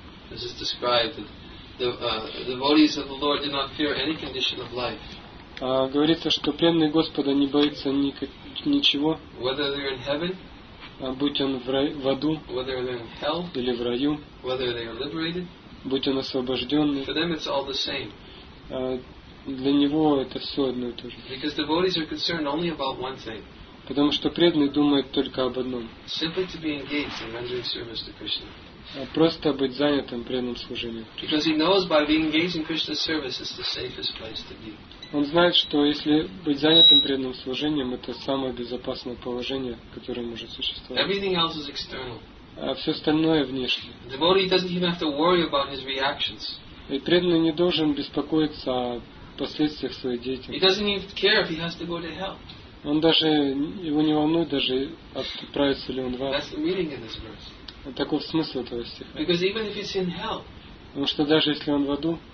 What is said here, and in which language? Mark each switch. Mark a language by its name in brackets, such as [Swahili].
[English] This is described that the devotees of the Lord do not fear any condition of life. [Russian] Говорится, что преданный Господа не боится ничего. [English] Whether they're in heaven, [Russian] будь он в аду, [English] whether they're in hell, [Russian] или в раю, [English] whether they're liberated, [Russian] будь он освобожденный. [English] For them, it's all the same. [Russian] Для него это все одно и то же. [English] Because devotees are concerned only about one thing. [Russian] Потому что преданный думает только об одном. [English] Simply to be engaged in rendering service to Krishna. [Russian] Просто быть занятым преданным служением. [English] Because he knows by being engaged in Krishna's service is the safest place to be. [Russian] Он знает, что если быть занятым преданным служением, это самое безопасное положение, которое может существовать. [English] Everything else is external. [Russian] А все остальное внешнее. [English] The devotee doesn't even have to worry about his reactions. [Russian] И преданный не должен беспокоиться о последствиях своей деятельности. [English] He doesn't even care if he has to go to hell. [Russian] Он даже его не волнует, даже отправится ли он в ад. [English] That's the meaning in this verse. [Russian] Таков смысл этого стиха. [English] Because even if he's in hell, [Russian] потому что даже если он в аду,